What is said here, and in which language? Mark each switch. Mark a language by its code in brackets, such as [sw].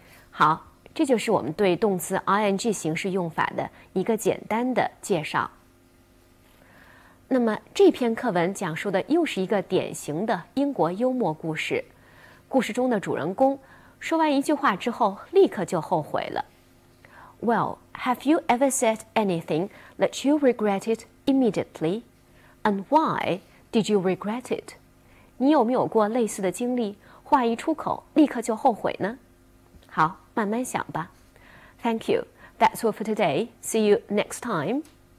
[zh] 好，这就是我们对动词 ing 形式用法的一个简单的介绍。那么这篇课文讲述的又是一个典型的英国幽默故事。故事中的主人公说完一句话之后立刻就后悔了。 [en] Well, have you ever said anything that you regretted immediately? And why did you regret it? [zh] 你有没有过类似的经历，话一出口立刻就后悔呢？好，慢慢想吧。 [en] Thank you. That's all for today. See you next time.